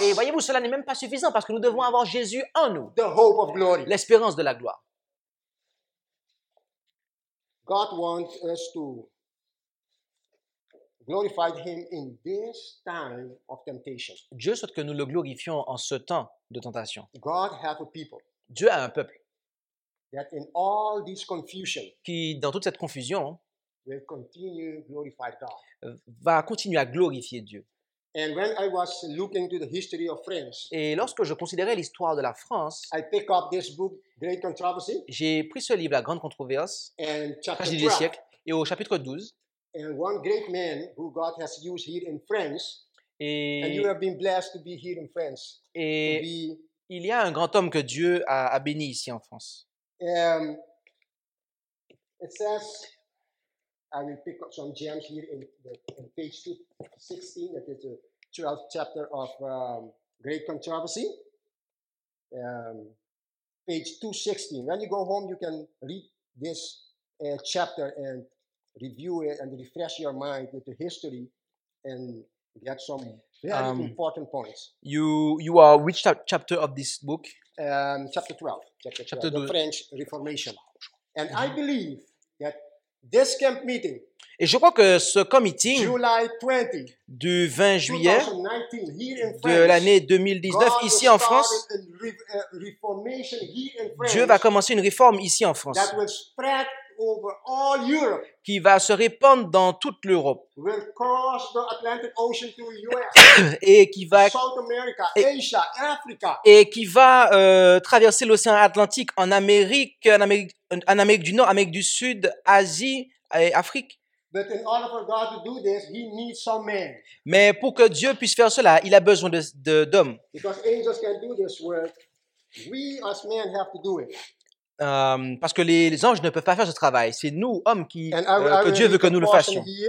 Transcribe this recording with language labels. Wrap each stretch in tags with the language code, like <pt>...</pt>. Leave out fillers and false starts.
<fr>Et voyez-vous, cela n'est même pas suffisant parce que nous devons avoir Jésus en nous.</fr> <en>The hope of glory.</en> <fr>L'espérance de la gloire.</fr> <en>God wants us to glorify him in this time of temptation.</en> <fr>Dieu souhaite que nous le glorifions en ce temps de tentation.</fr> <en>God has a people.</en> <fr>Dieu a un peuple.</fr> <en>That in all this confusion.</en> <fr>Qui dans toute cette confusion.</fr> <en>Will continue to glorify God.</en> <fr>Va continuer à glorifier Dieu.</fr> <en>And when I was looking to the history of France.</en> <fr>Et lorsque je considérais l'histoire de la France,</fr> <en>I pick up this book, Great Controversy.</en> <fr>J'ai pris ce livre, La Grande Controverse,</fr> <en>and chapter</en> <fr>12, des siècles, et au chapitre 12.</fr> <en>And one great man who God has used here in France.</en> <fr>Et</fr> <en>you have been blessed to be here in France.</en> <fr>Et il y a un grand homme que Dieu a béni ici en France.</fr> <en>It says. I will pick up some gems here in page 16, that is the 12th chapter of Great Controversy. Page 216. When you go home, you can read this chapter and review it and refresh your mind with the history and get some very important points. You are which chapter of this book? Chapter 12. Chapter 12. The French Reformation. And I believe that this camp meeting.</en> <fr>Et je crois que ce camp meeting</fr> <en>July 20,</en> <fr>du 20 juillet</fr> <en>2019, here in France,</en> <fr>de l'année 2019</fr> <en>God</en> <fr>ici en France,</fr> <en>reformation here in France,</en> <fr>Dieu va commencer une réforme ici en France</fr> <en>that will spread over all Europe,</en> <fr>qui va se répandre dans toute l'Europe,</fr> <en>will cross the Atlantic Ocean to the US,</en> <fr>et qui va</fr> <en>South America, Asia, Africa,</en> <fr>et qui va traverser l'océan Atlantique en Amérique, en Amérique du Nord, Amérique du Sud, Asie et Afrique.</fr> <en>But in order for God to do this, he needs some men.</en> <fr>Mais pour que Dieu puisse faire cela, il a besoin de d'hommes.</fr> <en>Because angels can do this work, we as men have to do it.</en> <fr>Parce que les anges ne peuvent pas faire ce travail. C'est nous, hommes, que Dieu veut que nous le fassions.</fr>